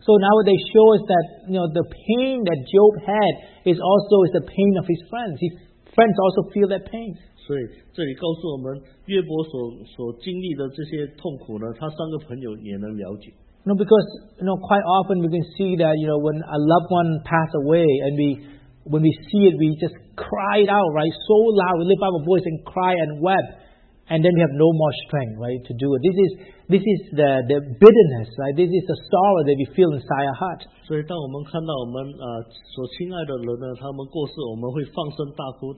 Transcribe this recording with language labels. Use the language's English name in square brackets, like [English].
[English] So now they show us that, you know, the pain that Job had is also is the pain of his friends. His friends also feel that pain. [Chinese] 所以这里告诉我们，约伯所经历的这些痛苦呢，他三个朋友也能了解。 [English] You know, because you know, quite often we can see that, you know, when a loved one passed away and when we see it, we just cry it out, right? So loud, we lift up a voice and cry and wept, and then we have no more strength, right, to do it. This is the bitterness, right? This is the sorrow that we feel inside our heart. [Chinese] 所以当我们看到我们所亲爱的人呢，他们过世，我们会放声大哭。